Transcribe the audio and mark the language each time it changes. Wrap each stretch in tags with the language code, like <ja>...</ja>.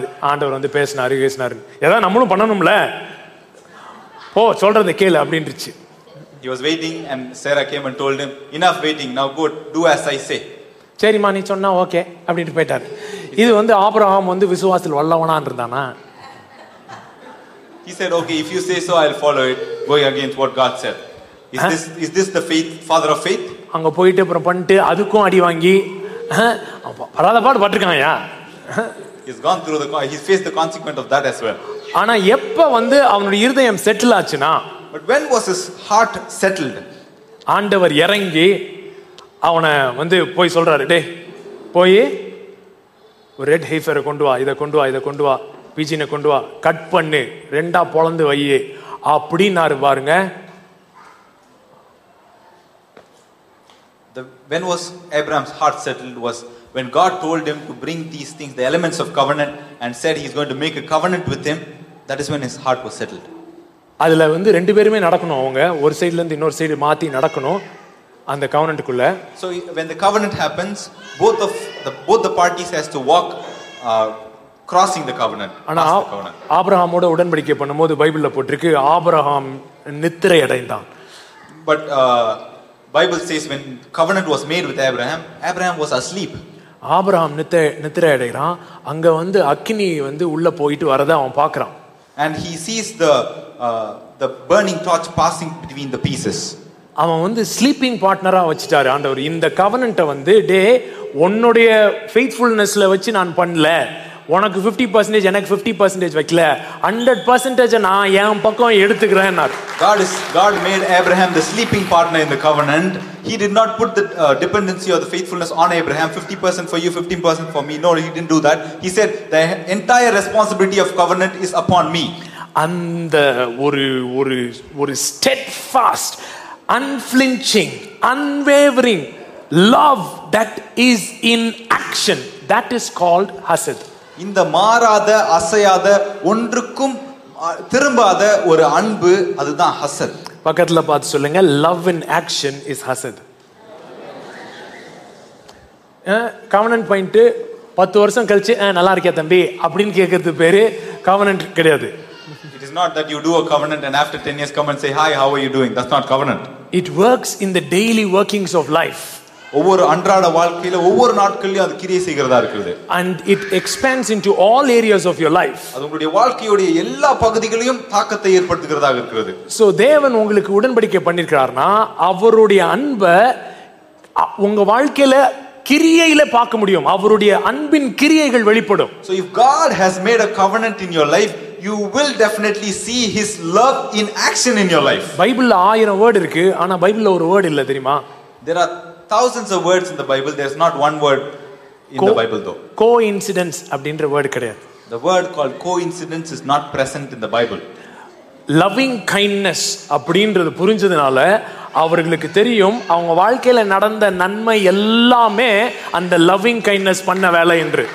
<ta>ஆண்டவர் வந்து பேசினார் பேசினார் ஏதாவது நம்மளும் பண்ணணும்ல போ சொல்றது கேளு அப்படின்னு.</ta> <en>He was waiting and Sarah came and told him, enough waiting, now go do as I say.</en> <ta>சரி மா நீ சொன்னா ஓகே அப்படின்னு போயிட்டாரு. இது வந்து ஆபிரகாம் வந்து விசுவாசத்தில் வல்லவனா இருந்தானா?</ta> <en>He said, okay, if you say so, I'll follow it, going against what God said. Is this the faith, father of faith?</en> <ta>அங்க போயிட்டு அப்புறம் பண்ணிட்டு அதுக்கும் அடி வாங்கி பராத பாடு பட்டிருக்காங்க.</ta> <en>He's gone through he faced the consequence of that as well.</en> <ta>ஆனா எப்ப வந்து அவனுடைய இருதயம் செட்டில் ஆச்சுனா,</ta> <en>but when was his heart settled?</en> <ta>ஆண்டவர் இறங்கி அவனை வந்து போய் சொல்றாரு, டே போய் ஒரு ரெட் ஹீஃபரை கொண்டு வா, இதை கொண்டு வா, இதை கொண்டு வா, பீஜினை கொண்டு வா, கட் பண்ணு, ரெண்டா பொழந்து வையு அப்படின்னாரு. பாருங்க,</ta> <en>when was Abraham's heart settled was when God told him to bring these things, the elements of covenant, and said he's going to make a covenant with him. That is when his heart was settled.</en> <ta>அதுல வந்து ரெண்டு பேருமே நடக்கணும், அவங்க ஒரு சைடுல இருந்து இன்னொரு சைடு மாத்தி நடக்கணும் அந்த கவனன்ட்டுக்குள்ள.</ta> <en>So when the covenant happens, both the parties has to walk crossing the covenant.</en> <ta>ஆனா ஆபிரகாமோட உடன்படிக்கை பண்ணும்போது பைபிள்ல போட்டிருக்கு ஆபிரகாம் நித்திரை அடைந்தான்.</ta> <en>But Bible says when covenant was made with Abraham, Abraham was asleep.</en> <ta>Abraham நித்திரை அடைறான். அங்க வந்து அக்னி வந்து உள்ள போயிட்டு வரத அவன் பார்க்கறான்.</ta> <en>And he sees the burning torch passing between the pieces.</en> <ta>அவன் வந்து ஸ்லீப்பிங் பார்ட்னரா வச்சுட்டாரு ஆண்டவர் இந்த கவனண்ட்டை வந்து. டே உன்னுடைய ஃபெய்த்ஃபுல்னஸ்ல வச்சு நான் பண்ணல, உனக்கு 50%, எனக்கு 50% வைக்கல, 100% நான் என் பக்கம் எடுத்துக்கிறேன்.</ta> <en>God made Abraham the sleeping partner in the covenant. He did not put the dependency or the faithfulness on Abraham, 50% for you, 15% for me. No, he didn't do that. He said, the entire responsibility of covenant is upon me.</en> <ta>அந்த ஒரு ஒரு ஒரு</ta> <en>steadfast, unflinching, unwavering love that is in action, that is called Hesed.</en> <ta>இந்த மாறாத அசையாத ஒன்றுக்கும் திரும்பாத ஒரு அன்பு அதுதான் ஹசத். பக்கத்துல பார்த்து சொல்லுங்க,</ta> <en>Love in action is ஹசத்.</en> <ta>கவனன்ட் பாயிண்ட் 10 வருஷம் கழிச்சு நல்லா இருக்கியா தம்பி அப்படின்னு கேட்கறது பேரு கவனன்ட் கிடையாது.</ta> <en>It is not that you do a covenant and after 10 years come and say, hi, how are you doing? That's not covenant. It works in the daily workings of life.</en> <ta>ஒவ்வொரு அன்றாட வாழ்க்கையில ஒவ்வொரு நாட்களிலும் அது கிரியை செய்கிறதா இருக்குது.</ta> <en>And it expands into all areas of your life.</en> <ta>அது உங்களுடைய வாழ்க்கையுடைய எல்லா பகுதிகளையும் தாக்கத்தை ஏற்படுத்துகிறதா இருக்குது. So தேவன் உங்களுக்கு உடன்படிக்கை பண்ணிருக்கிறார்னா அவருடைய அன்பை உங்க வாழ்க்கையில கிரியையில பார்க்க முடியும். அவருடைய அன்பின் கிரியைகள் வெளிப்படும்.</ta> <en>So if God has made a covenant in your life, you will definitely see his love in action in your life.</en> <ta>Bible 1000 words இருக்கு, ஆனா பைபிள்ல ஒரு வேர்ட் இல்ல தெரியுமா?</ta> <en>There are thousands of words in the Bible. There's not one word in the Bible though.</en> <ta>Coincidence அப்படிங்கற word கிடையாது.</ta> <en>The word called coincidence is not present in the Bible.</en> <ta>Loving kindness அப்படிங்கறது புரிஞ்சதுனால அவங்களுக்கு தெரியும் அவங்க வாழ்க்கையில நடந்த நன்மை எல்லாமே அந்த லவ்விங் கைண்ட்னஸ் பண்ண வேலை என்று.</ta>